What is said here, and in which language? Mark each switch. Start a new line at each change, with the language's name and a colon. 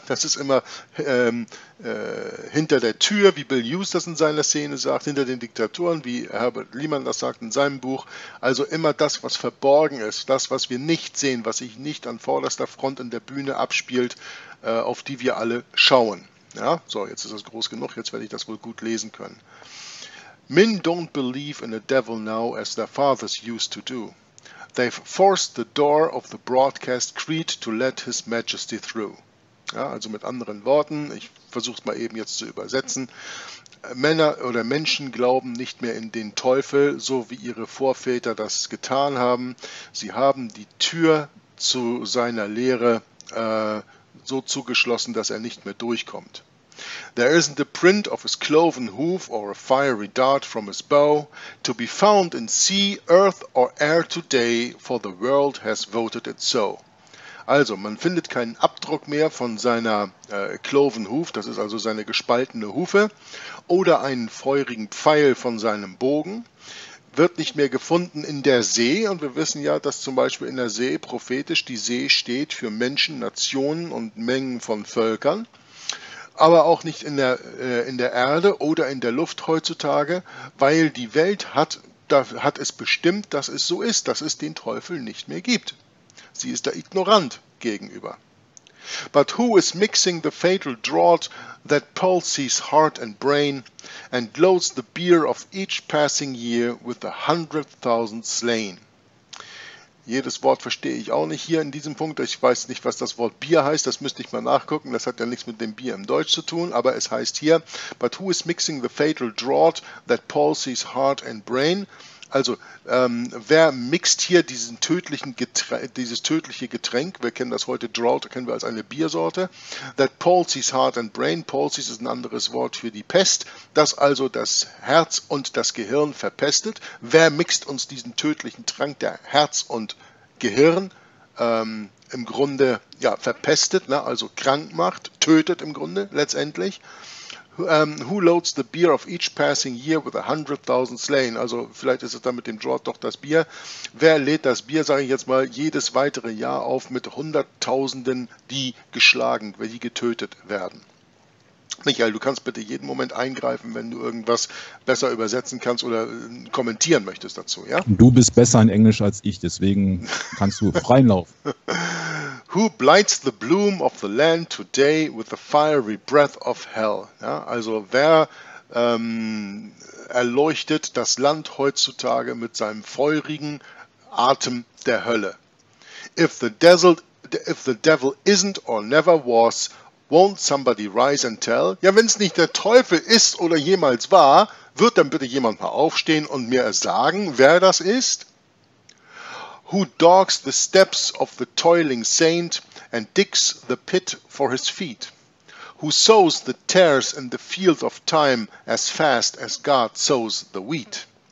German: Das ist immer hinter der Tür, wie Bill Hughes das in seiner Szene sagt, hinter den Diktatoren, wie Herbert Lehmann das sagt in seinem Buch. Also immer das, was verborgen ist, das, was wir nicht sehen, was sich nicht an vorderster Front in der Bühne abspielt, auf die wir alle schauen. Ja, so, jetzt ist das groß genug, jetzt werde ich das wohl gut lesen können.
English: Men don't believe in a devil now as their fathers used to do. They've forced the door of the broadcast creed to let his majesty through.
German: Ja, also mit anderen Worten, ich versuche es mal eben jetzt zu übersetzen. Männer oder Menschen glauben nicht mehr in den Teufel, so wie ihre Vorväter das getan haben. Sie haben die Tür zu seiner Lehre so zugeschlossen, dass er nicht mehr durchkommt.
English: There isn't a print of his cloven hoof or a fiery dart from his bow to be found in sea, earth or air today, for the world has voted it so.
German: Also, man findet keinen Abdruck mehr von seiner cloven hoof, das ist also seine gespaltene Hufe, oder einen feurigen Pfeil von seinem Bogen. Wird nicht mehr gefunden in der See, und wir wissen ja, dass zum Beispiel in der See prophetisch die See steht für Menschen, Nationen und Mengen von Völkern. Aber auch nicht in der Erde oder in der Luft heutzutage, weil die Welt hat es bestimmt, dass es so ist, dass es den Teufel nicht mehr gibt. Sie ist da ignorant gegenüber.
English: But who is mixing the fatal draught that palsies heart and brain and loads the beer of each passing year with 100,000 slain?
German: Jedes Wort verstehe ich auch nicht hier in diesem Punkt. Ich weiß nicht, was das Wort Bier heißt. Das müsste ich mal nachgucken. Das hat ja nichts mit dem Bier im Deutsch zu tun. Aber es heißt hier,
English: but who is mixing the fatal draught that palsies heart and brain?
German: Also, wer mixt hier dieses tödliche Getränk? Wir kennen das heute, Draught, kennen wir als eine Biersorte.
English: That palsies heart and brain.
German: Palsies ist ein anderes Wort für die Pest. Das also das Herz und das Gehirn verpestet. Wer mixt uns diesen tödlichen Trank, der Herz und Gehirn im Grunde ja, verpestet, ne? Also krank macht, tötet im Grunde letztendlich.
English: Who loads the beer of each passing year with 100,000 slain?
German: Also vielleicht ist es dann mit dem Draught doch das Bier. Wer lädt das Bier, sage ich jetzt mal, jedes weitere Jahr auf mit Hunderttausenden, die geschlagen, die getötet werden? Michael, du kannst bitte jeden Moment eingreifen, wenn du irgendwas besser übersetzen kannst oder kommentieren möchtest dazu. Ja? Du bist besser in Englisch als ich, deswegen kannst du freien Lauf.
English: Who blights the bloom of the land today with the fiery breath of hell?
German: Ja, also wer erleuchtet das Land heutzutage mit seinem feurigen Atem der Hölle?
English: If the devil isn't or never was, won't somebody rise and tell?
German: Ja, wenn es nicht der Teufel ist oder jemals war, wird dann bitte jemand mal aufstehen und mir sagen, wer das ist?
English: Who dogs the steps of the toiling saint and digs the pit for his feet? Who sows the tares in the field of time as fast as God sows the wheat?